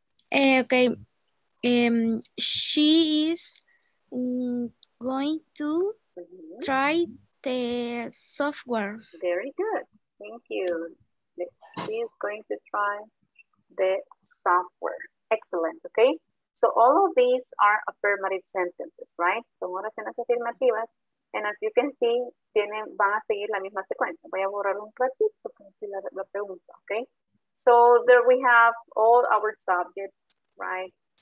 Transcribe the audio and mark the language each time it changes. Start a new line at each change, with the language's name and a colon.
English: Okay. She is going to try the software. Very good. Thank you. She is going to try the software. Excellent, okay? So all of these are affirmative sentences, right?
Spanish: Son oraciones afirmativas.
English: And as you can see,
Spanish: van a seguir la misma secuencia. Voy a borrar un ratito para decir la pregunta, okay?
English: So there we have all our subjects, right?